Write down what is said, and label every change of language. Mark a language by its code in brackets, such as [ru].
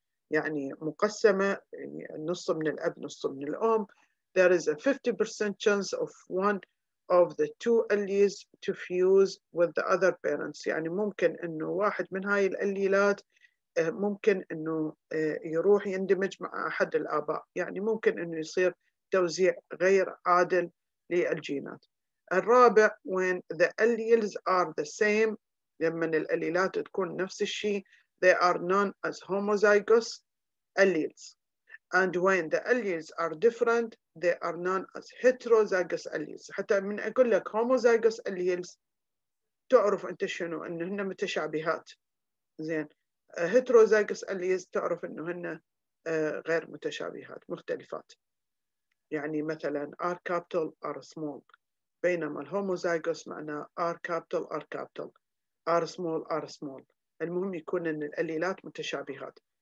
[ar] يعني مقسمة نص من الأب نص من الأم، [en] there is a 50% chance of one of the two alleles to fuse with the other parents، [ar] يعني ممكن انه واحد من هاي الأليلات ممكن انه يروح يندمج مع احد الاباء، يعني ممكن انه يصير توزيع غير عادل للجينات. الرابع [en] when the alleles are the same، [ar] لما الأليلات تكون نفس الشيء [en] they are known as homozygous alleles، and when the alleles are different they are known as heterozygous alleles. [ar] حتى من أقول لك homozygous alleles تعرف أنت شنو، أنهن متشابهات. زين heterozygous alleles تعرف أنهن غير متشابهات مختلفات، يعني مثلا R capital R small، بينما homozygous معناه R capital R capital R small R small، المهم يكون أن الأليلات متشابهات.